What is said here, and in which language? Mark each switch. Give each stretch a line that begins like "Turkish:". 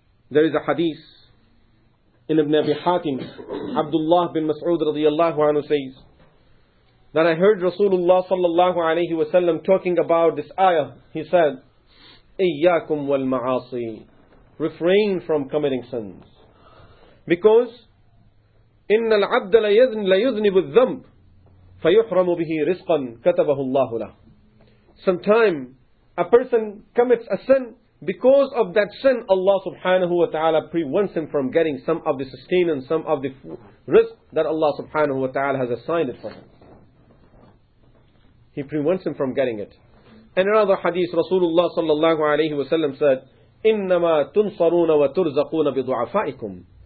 English: There is a hadith in Ibn Abi Hatim, Abdullah bin Mas'ud radiyallahu anhu says, that I heard Rasulullah sallallahu alayhi wa sallam talking about this ayah. He said,
Arabic: إِيَّاكُمْ وَالْمَعَاصِي.
English: Refrain from committing sins.
Arabic: Because, إِنَّ الْعَبْدَ لَيُذْنِبُ الذَّنْبُ فَيُحْرَمُ بِهِ رِزْقًا كَتَبَهُ اللَّهُ لَهُ.
English: Sometime, a person commits a sin, because of that sin, Allah subhanahu wa ta'ala prevents him from getting some of the sustenance, some of the risk that Allah subhanahu wa ta'ala has assigned it for him. He prevents him from getting it. And another hadith, Rasulullah sallallahu alayhi wa sallam said,
Arabic: إِنَّمَا تُنصَرُونَ وَتُرْزَقُونَ بِضُعَفَائِكُمْ.